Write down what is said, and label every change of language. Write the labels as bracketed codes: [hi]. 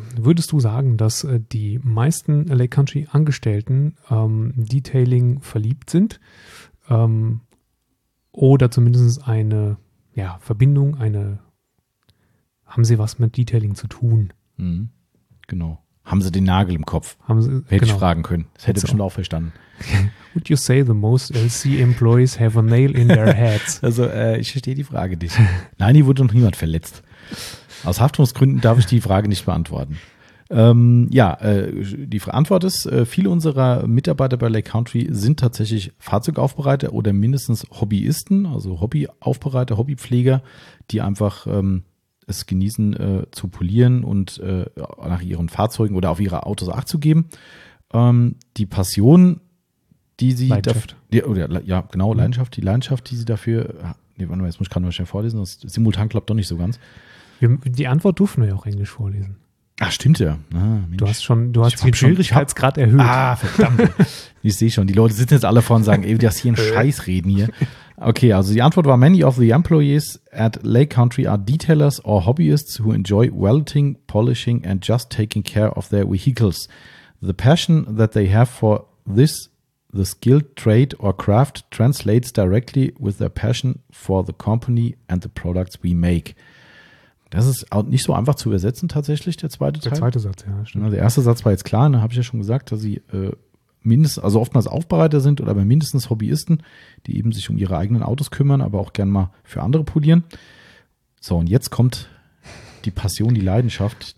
[de] Würdest du sagen, dass die meisten Lake Country Angestellten Detailing verliebt sind? Oder zumindest eine Verbindung, haben sie was mit Detailing zu tun? Mhm. Genau. Haben sie den Nagel im Kopf? Hätte ich fragen können. Das hätte ich schon auch verstanden. [en] Would you say the most LC employees have a nail in their heads? [de] Also ich verstehe die Frage nicht. Nein, hier wurde noch niemand verletzt. Aus Haftungsgründen darf ich die Frage nicht beantworten. Die Antwort ist, viele unserer Mitarbeiter bei Lake Country sind tatsächlich Fahrzeugaufbereiter oder mindestens Hobbyisten, also Hobbyaufbereiter, Hobbypfleger, die einfach es genießen zu polieren und nach ihren Fahrzeugen oder auf ihre Autos Acht zu geben. Die Passion, die sie Leidenschaft. Leidenschaft, die Leidenschaft, die sie dafür, warte mal, jetzt muss ich gerade mal schnell vorlesen, das simultan klappt doch nicht so ganz. Die Antwort dürfen wir ja auch Englisch vorlesen. Ach, stimmt ja. Ah, du hast den Schwierigkeitsgrad erhöht. Ah, verdammt. Ich sehe schon, die Leute sitzen jetzt alle vor und sagen, ey, das hier ein Scheiß reden hier. Okay, also die Antwort war, [en] many of the employees at Lake Country are detailers or hobbyists who enjoy welding, polishing and just taking care of their vehicles. The passion that they have for this, the skilled trade or craft, translates directly with their passion for the company and the products we make. [de] Das ist auch nicht so einfach zu übersetzen tatsächlich, der zweite Teil. Der zweite Satz, ja, stimmt. Also der erste Satz war jetzt klar, ne, habe ich ja schon gesagt, dass sie also oftmals Aufbereiter sind oder mindestens Hobbyisten, die eben sich um ihre eigenen Autos kümmern, aber auch gern mal für andere polieren. So, und jetzt kommt die Passion, die Leidenschaft.